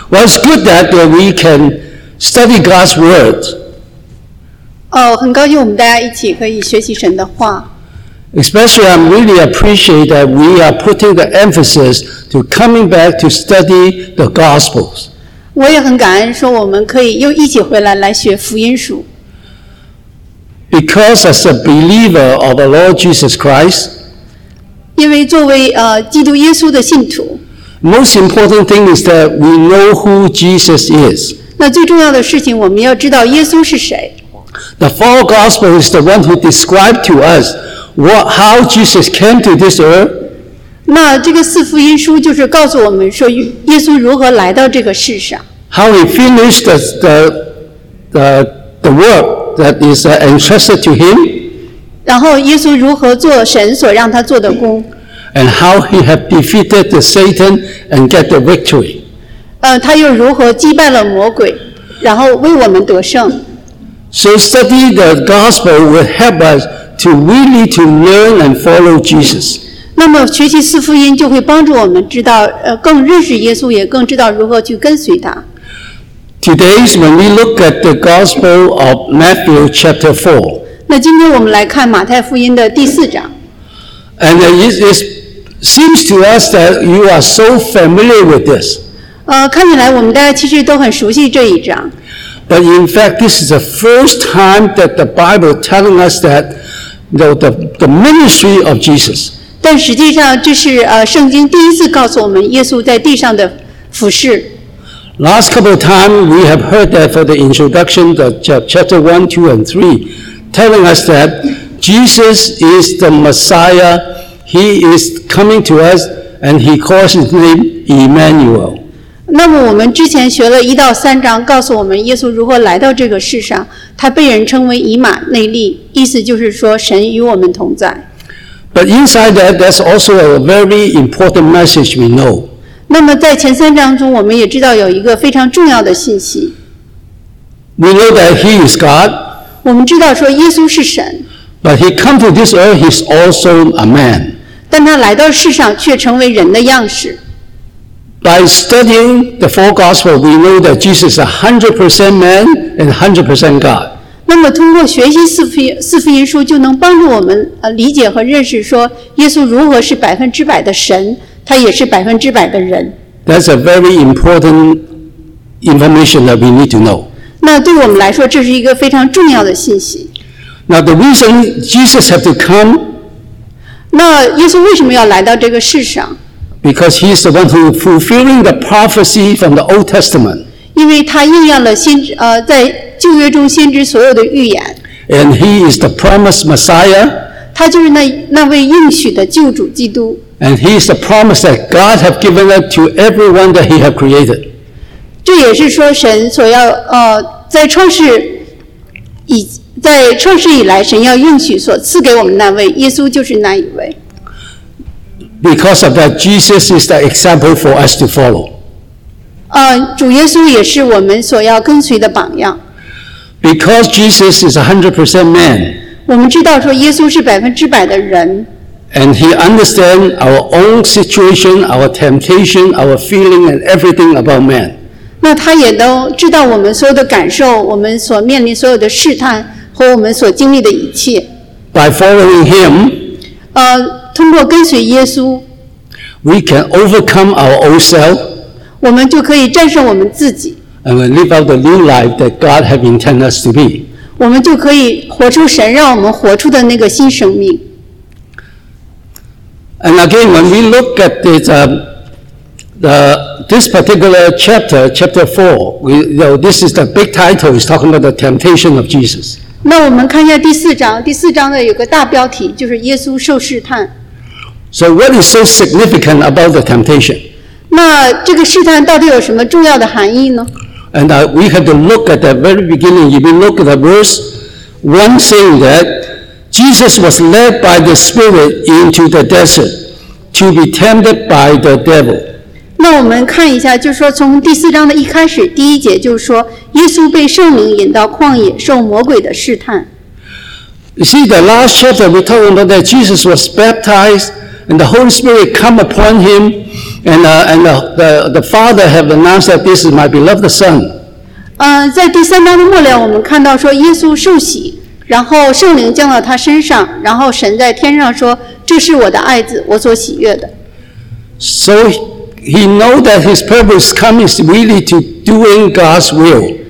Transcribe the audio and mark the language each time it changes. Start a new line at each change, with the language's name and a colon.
English: Well, it's good that we can study God's word.
Chinese: 哦，很高兴我们大家一起可以学习神的话。
English: Especially, I'm really appreciate that we are putting the emphasis to coming back to study the Gospels.
Chinese: 我也很感恩说我们可以又一起回来来学福音书。
English: Because as a believer of the Lord Jesus Christ,
Chinese: 因为作为基督耶稣的信徒。
English: Most important thing is that we know who Jesus is.
Chinese: 那最重要的事情，我们要知道耶稣是谁。
English: The four Gospels is the one who described to us how Jesus came to this earth.
Chinese: 那这个四福音书就是告诉我们说耶稣如何来到这个世上。
English: How he finished the work that is entrusted to him.
Chinese: 然后耶稣如何做神所让他做的工。
English: And how he had defeated the Satan and get the victory.
Chinese: 他又如何击败了魔鬼，然后为我们得胜。
English: So study the gospel will help us to really to learn and follow Jesus.
Chinese: 那么学习四福音就会帮助我们知道，更认识耶稣，也更知道如何去跟随他。
English: Today, when we look at the gospel of Matthew chapter 4.
Chinese: 那今天我们来看马太福音的第四章。
English: And it seems to us that you are so familiar with this.
Chinese: 看起来我们大家其实都很熟悉这一章。
English: But in fact, this is the first time that the Bible telling us that the ministry of Jesus.
Chinese: 但实际上这是圣经第一次告诉我们耶稣在地上的服事。
English: Last couple of times, we have heard that for the introduction, chapter 1, 2, and 3, telling us that Jesus is the Messiah. He is coming to us, and he calls his name Emmanuel.
Chinese: 那么我们之前学了一到三章，告诉我们耶稣如何来到这个世上，他被人称为以马内利，意思就是说神与我们同在。
English: But inside that, that's also a very important message we know.
Chinese: 那么在前三章中，我们也知道有一个非常重要的信息。
English: We know that he is God.
Chinese: 我们知道说耶稣是神。
English: But he come to this earth, he's also a man.
Chinese: 但他来到世上却成为人的样式。
English: By studying the four Gospels, we know that Jesus is 100% man and 100% God.
Chinese: 那么通过学习四福音书就能帮助我们理解和认识说耶稣如何是百分之百的神，他也是百分之百的人。
English: That's a very important information that we need to know.
Chinese: 那对我们来说这是一个非常重要的信息。
English: Now the reason Jesus had to come.
Chinese: 那耶稣为什么要来到这个世上？
English: Because he is the one who is fulfilling the prophecy from the Old Testament.
Chinese: 因为他应验了先知在旧约中先知所有的预言。
English: And he is the promised Messiah.
Chinese: 他就是那位应许的救主基督。
English: And he is the promise that God has given it to everyone that he has created.
Chinese: 这也是说神所要在创世以来神要应许所赐给我们那位耶稣就是那一位。
English: Because of that, Jesus is the example for us to follow.
Chinese: 主耶稣也是我们所要跟随的榜样。
English: Because Jesus is 100% man.
Chinese: 我们知道说耶稣是百分之百的人。
English: And he understands our own situation, our temptation, our feeling, and everything about man.
Chinese: 那他也都知道我们所有的感受，我们所面临所有的试探和我们所经历的一切。
English: By following him.
Chinese: 通过跟随耶稣
English: we can overcome our old self,
Chinese: 我们就可以战胜我们自己
English: and we live out the new life that God has intended us to be.
Chinese: 我们就可以活出神让我们活出的那个新生命。
English: And again, when we look at this particular chapter, chapter 4, this is the big title, it's talking about the temptation of Jesus.
Chinese: 那我们看一下第四章，第四章的有个大标题，就是耶稣受试探。
English: So what is so significant about the temptation?
Chinese: 那这个试探到底有什么重要的含义呢？
English: And we have to look at the very beginning. If we look at the verse 1 saying that Jesus was led by the Spirit into the desert to be tempted by the devil.
Chinese: 那我们看一下，就是说从第四章的一开始第一节，就是说耶稣被圣灵引到旷野受魔鬼的试探。
English: You see the last chapter we talked about that Jesus was baptized. And the Holy Spirit come upon him, And the Father have announced that this is my beloved Son.
Chinese: 在第三章的末了，我们看到说耶稣受洗，然后圣灵降到他身上，然后神在天上说：“这是我的爱子，我所喜悦的。”
English: So he know that his purpose comes really to doing God's will.